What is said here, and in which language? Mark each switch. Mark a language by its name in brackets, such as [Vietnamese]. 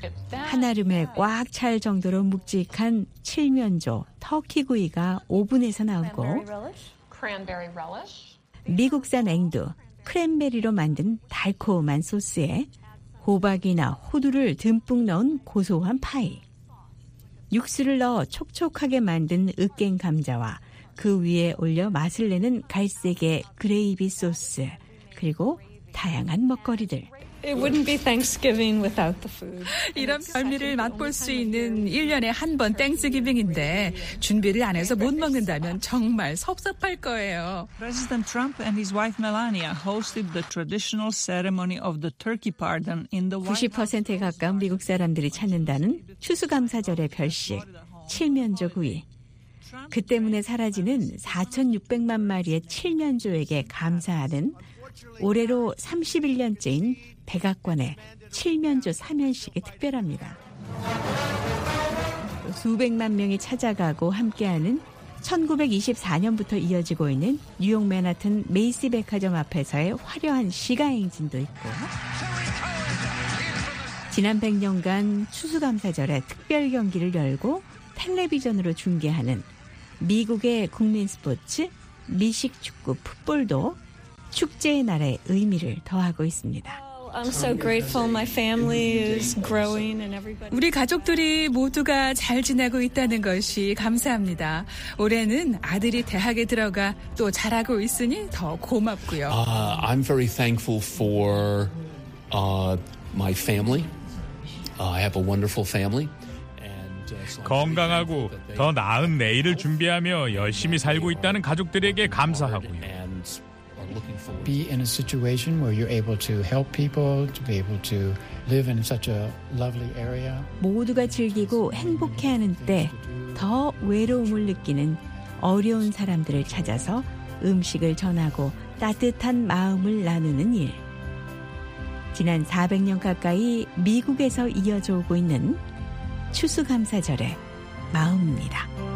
[Korean] 한아름에 꽉 찰 정도로 묵직한 칠면조 터키 구이가 오븐에서 나오고 미국산 앵두, 크랜베리로 만든 달콤한 소스에 호박이나 호두를 듬뿍 넣은 고소한 파이, 육수를 넣어 촉촉하게 만든 으깬 감자와 그 위에 올려 맛을 내는 갈색의 그레이비 소스, 그리고 다양한 먹거리들. [English] It wouldn't be Thanksgiving without the food. [Korean] 이런 별미를 맛볼 수 있는 1년에 한 번 땡스기빙인데 준비를 안 해서 못 먹는다면 정말 섭섭할 거예요. [English] President Trump and his wife Melania hosted the traditional ceremony of the turkey pardon in the [Korean] 90%에 가까운 미국 사람들이 찾는다는 추수감사절의 별식 칠면조 구이. 그 때문에 사라지는 4,600만 마리의 칠면조에게 감사하는 올해로 31년째인 백악관의 칠면조 3연식이 특별합니다. 수백만 명이 찾아가고 함께하는 1924년부터 이어지고 있는 뉴욕 맨하튼 메이시 백화점 앞에서의 화려한 시가 행진도 있고 지난 100년간 추수감사절에 특별 경기를 열고 텔레비전으로 중계하는 미국의 국민 스포츠 미식 축구 풋볼도 축제의 날의 의미를 더하고 있습니다. [English] I'm so grateful my family is growing and everybody. [Korean] 우리 가족들이 모두가 잘 지내고 있다는 것이 감사합니다. 올해는 아들이 대학에 들어가 또 자라고 있으니 더 고맙고요. [English] I'm very thankful for my family. I have a wonderful family. [Korean] 건강하고 더 나은 내일을 준비하며 열심히 살고 있다는 가족들에게 감사하고요. [English] Be in a situation where you're able to help people, to be able to live in such a lovely area. [Korean] 모두가 즐기고 행복해하는 때 더 외로움을 느끼는 어려운 사람들을 찾아서 음식을 전하고 따뜻한 마음을 나누는 일. 지난 400년 가까이 미국에서 이어져 오고 있는 추수감사절의 마음입니다.